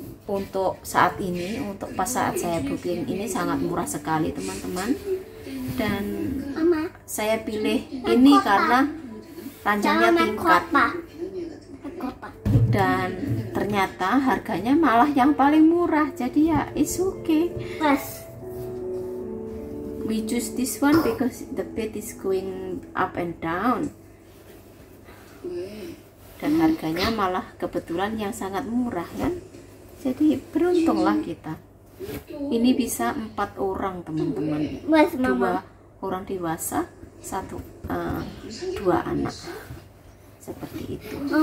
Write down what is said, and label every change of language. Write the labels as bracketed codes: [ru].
[id] Untuk saat ini, untuk pas saat saya booking ini sangat murah sekali, teman-teman. Dan Mama, saya pilih ini karena ranjangnya tingkat. Kota. dan ternyata harganya malah yang paling murah. Jadi ya [en] it's okay. [id] Mas. [en] We choose this one because the bed is going up and down. [id] Dan harganya malah kebetulan yang sangat murah kan. Jadi beruntunglah kita. Ini bisa 4 orang, teman-teman. Mas, mama. 2 orang dewasa, 1 2 anak. Seperti itu.